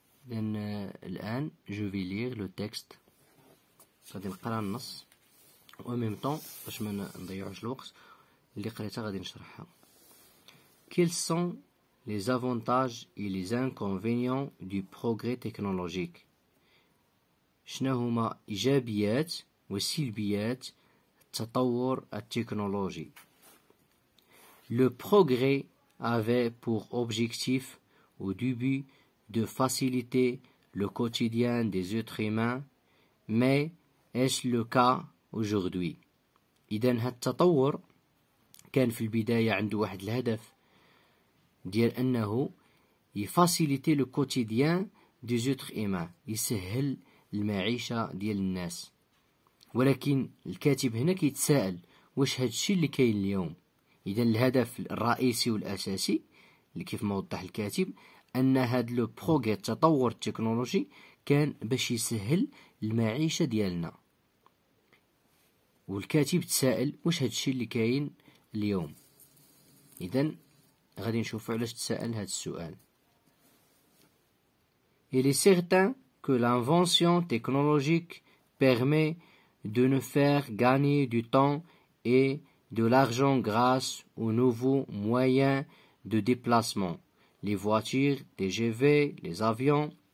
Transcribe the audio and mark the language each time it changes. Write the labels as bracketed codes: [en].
[ar] اذا الان [fr] جو في لير لو تيكست، [ar] غادي نقرا النص و ميم طون باش ما نضيعوش الوقت اللي قريته غادي نشرحها. [fr] كيل سون لي زافونتاج اي لي زانكونفينيون دو بروغري تكنولوجيك، [ar] شنو هما ايجابيات وسلبيات التطور التكنولوجي. [fr] Le progrès avait pour objectif au début de faciliter le quotidien des êtres humains, mais est-ce le cas aujourd'hui? [ar] إذن هاد التطور كان في البداية عنده واحد الهدف ديال أنه [fr] يفاسيليتي لو كوتيديان دي زوتر إيمان، [ar] يسهل المعيشة ديال الناس. ولكن الكاتب هنا كيتساءل واش هادشي اللي كاين اليوم. إذن الهدف الرئيسي والأساسي اللي كيف موضح الكاتب أن هاد لو بروغي التطور التكنولوجي كان باش يسهل المعيشة ديالنا، والكاتب تسائل واش هادشي اللي كاين اليوم. إذن غادي نشوفو علاش تسائل هاد السؤال. [fr] Il est certain que l'invention technologique permet de nous faire gagner du temps et de l'argent grâce aux nouveaux moyens de déplacement, les voitures, les TGV, les avions.